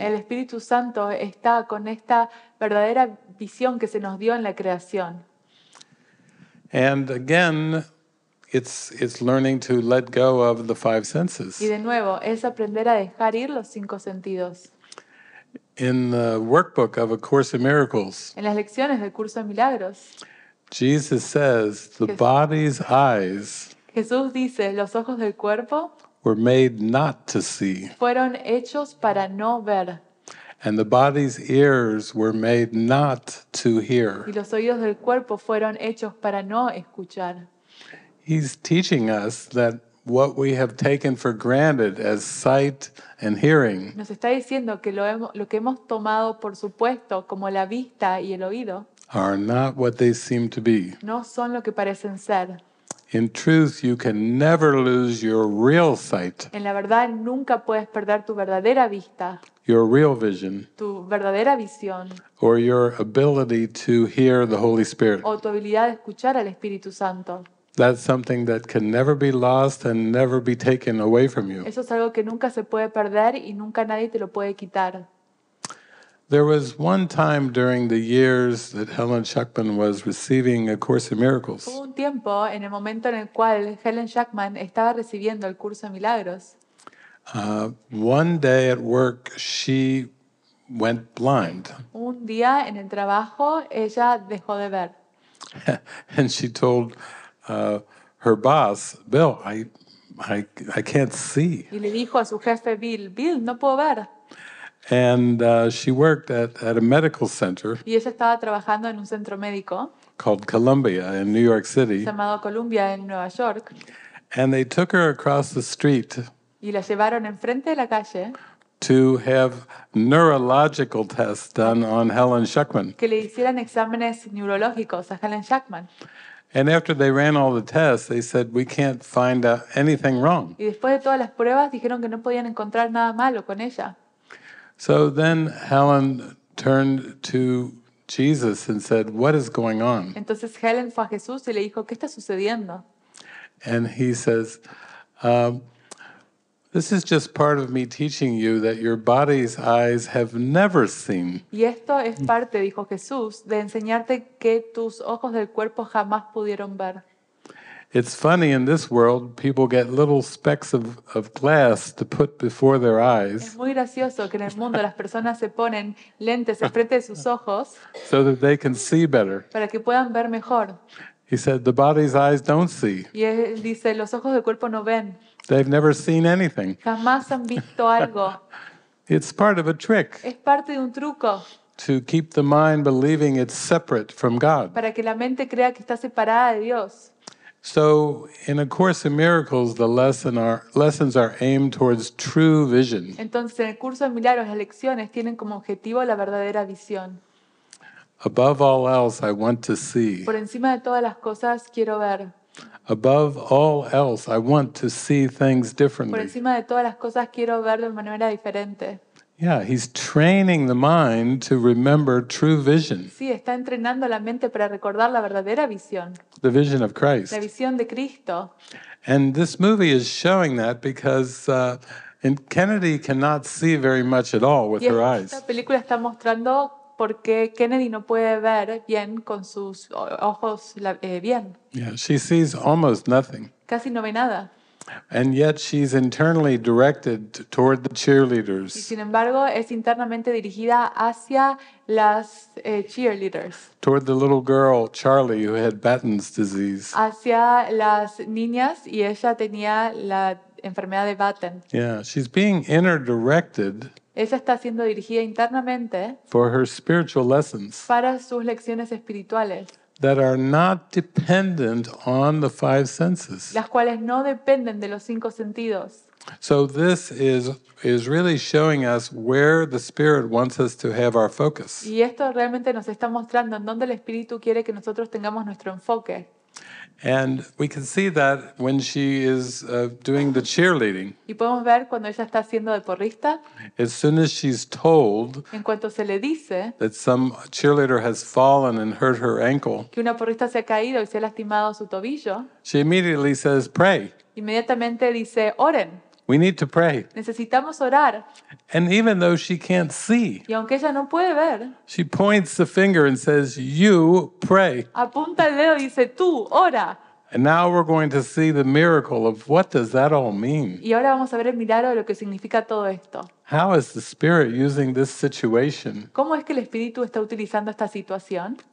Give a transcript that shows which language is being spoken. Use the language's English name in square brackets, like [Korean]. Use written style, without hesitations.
[Spanish] El Espíritu Santo está con esta verdadera visión que se nos dio en la creación. [English] And again, it's learning to let go of the five senses. [Spanish] Y de nuevo, es aprender a dejar ir los cinco sentidos. [English] In the workbook of A Course in Miracles, [Spanish] en las lecciones del curso de milagros, [English] Jesus says the body's eyes, [Spanish] Jesús dice, los ojos del cuerpo, [English] were made not to see, [Spanish] fueron hechos para no ver, [English] and the body's ears were made not to hear, [Spanish] y los oídos del cuerpo fueron hechos para no escuchar. [English] He's teaching us that what we have taken for granted as sight and hearing. [Spanish] Nos está diciendo que lo que hemos tomado por supuesto como la vista y el oído. [English] Are not what they seem to be. [Spanish] No son lo que parecen ser. [English] In truth, you can never lose your real sight. [Spanish] En la verdad nunca puedes perder tu verdadera vista. [English] Your real vision. [Spanish] Tu verdadera visión. [English] Or your ability to hear the Holy Spirit. [Spanish] O tu habilidad de escuchar al Espíritu Santo. [English] That's something that can never be lost and never be taken away from you. [Spanish] Eso es algo que nunca se puede perder y nunca nadie te lo puede quitar. [English] There was one time during the years that Helen Schuckman was receiving A Course in Miracles. [Spanish] Hubo un tiempo en el momento en el cual Helen Schuckman estaba recibiendo el curso de milagros. [English] One day at work she went blind. [Spanish] Un día en el trabajo ella dejó de ver. [English] And she told her boss, Bill, I can't see. [Spanish] Y le dijo a su jefe Bill, no puedo ver. [English] And she worked at a medical center. [Spanish] Y ella estaba trabajando en un centro médico. [English] Called Columbia in New York City. [Spanish] Llamado Columbia en Nueva York. [English] And they took her across the street. [Spanish] Y la llevaron enfrente de la calle. [English] To have neurological tests done on Helen Schuckman. [Spanish] Que le hicieran exámenes neurológicos a Helen Schuckman. [English] And after they ran all the tests, they said, we can't find anything wrong. [Spanish] Y después de todas las pruebas, dijeron que no podían encontrar nada malo con ella. [English] So then Helen turned to Jesus and said, what is going on? [Spanish] Entonces Helen fue a Jesús y le dijo, ¿qué está sucediendo? [English] And he says, this is just part of me teaching you that your body's eyes have never seen. [Spanish] Y esto es parte, dijo Jesús, de enseñarte que tus ojos del cuerpo jamás pudieron ver. [English] It's funny, in this world, people get little specks of glass to put before their eyes. [Spanish] Es muy gracioso que en el mundo las personas se ponen lentes en frente de sus ojos. [English] So that they can see better. [Spanish] Para que puedan ver mejor. [English] He said, the body's eyes don't see. [Spanish] Y él dice, los ojos del cuerpo no ven. [English] They've never seen anything. [Spanish] Jamás han visto algo. [English] It's part of a trick. [Spanish] Es parte de un truco. [English] To keep the mind believing it's separate from God. [Spanish] Para que la mente crea que está separada de Dios. [English] So, in A Course in Miracles, the lessons are aimed towards true vision. [Spanish] Entonces, en el curso de milagros, las lecciones tienen como objetivo la verdadera visión. [English] Above all else, I want to see. [Spanish] Por encima de todas las cosas, quiero ver. [English] Above all else, I want to see things differently. [Spanish] Por encima de todas las cosas, quiero ver de manera diferente. [English] Yeah, he's training the mind to remember true vision. [Spanish] Sí, está entrenando la mente para recordar la verdadera visión. [English] The vision of Christ. [Spanish] La visión de Cristo. [English] And this movie is showing that because Kennedy cannot see very much at all with her eyes. [Spanish] Y esta película está mostrando porque Kennedy no puede ver bien con sus ojos bien. [English] Yeah, she sees almost nothing. [Spanish] Casi no ve nada. [English] And yet she's internally directed toward the cheerleaders. [Spanish] Y sin embargo, es internamente dirigida hacia las cheerleaders. [English] Toward the little girl, Charlie, who had Batten's disease. [Spanish] Hacia las niñas y ella tenía la enfermedad de Batten. [English] Yeah, she's being inner directed. [Spanish] Ella está siendo dirigida internamente [English] for her spiritual lessons. [Spanish] Para sus lecciones espirituales. [English] That are not dependent on the five senses. [Spanish] Las cuales no dependen de los cinco sentidos. [English] So this is really showing us where the Spirit wants us to have our focus. [Spanish] Y esto realmente nos está mostrando en dónde el Espíritu quiere que nosotros tengamos nuestro enfoque. [English] And we can see that when she is doing the cheerleading. [Spanish] Y podemos ver cuando ella está haciendo de porrista. [English] As soon as she's told. [Spanish] En cuanto se le dice. [English] That some cheerleader has fallen and hurt her ankle. [Spanish] Que una porrista se ha caído y se ha lastimado su tobillo. [English] She immediately says, "Pray." [Spanish] Inmediatamente dice, "Oren." [English] We need to pray. [Spanish] Necesitamos orar. [English] And even though she can't see. [Spanish] Y aunque ella no puede ver. [English] She points the finger and says, "You pray." [Spanish] Apunta el dedo y dice, "Tú ora." [English] And now we're going to see the miracle of what does that all mean? [Spanish] Y ahora vamos a ver el milagro de lo que significa todo esto. [English] How is the Spirit using this situation? [Spanish] ¿Cómo es que el Espíritu está utilizando esta situación?